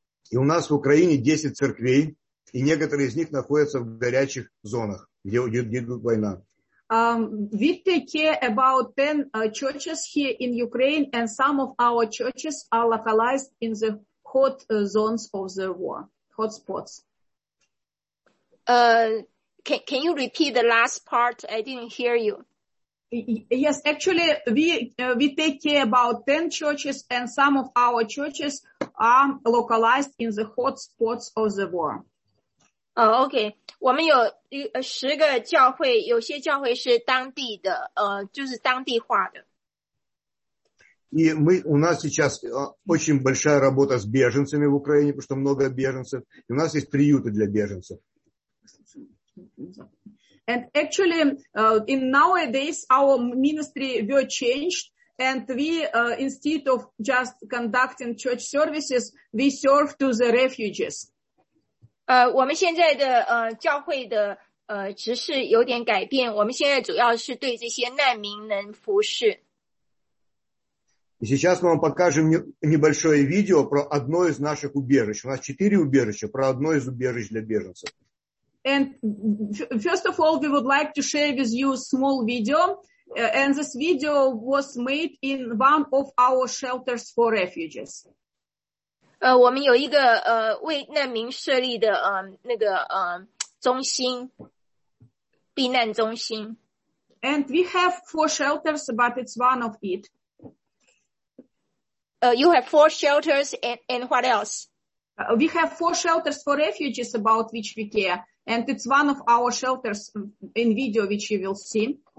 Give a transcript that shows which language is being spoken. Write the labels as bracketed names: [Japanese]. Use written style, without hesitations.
[Russian] И у нас в Украине 10 церквей, и некоторые из них находятся в горячих зонах, где идет война. [English] We take care about 10 churches here in Ukraine, and some of our churches are localized in the hot zones of the war, hot spots. Can you repeat the last part? I didn't hear you. Yes, actually, we take care about 10 churches, and some of our churches are localized in the hot spots of the war. Oh, okay. [Chinese] 我们有十个教会，有些教会是当地的，就是当地化的。 [Russian] И у нас сейчас очень большая работа с беженцами в Украине, потому что много беженцев. И у нас есть приюты для беженцев. [English] And actually, in nowadays, our ministry were changed, and we, instead of just conducting church services, we serve to the refugees. [Chinese] 我们现在的教会的执事有点改变，我们现在主要是对这些难民能服事。 [Russian] И сейчас мы вам покажем небольшое видео про одно из наших убежищ. У нас 4 убежища, про одно из убежищ для беженцев. [English] And first of all, we would like to share with you a small video. And this video was made in one of our shelters for refugees. [Chinese] 我们有一个为难民设立的那个中心，避难中心。 [English] And we have 4 shelters, but it's one of it. You have 4 shelters and what else? We have 4 shelters for refugees about which we care. And it's one of our shelters in video which you will see.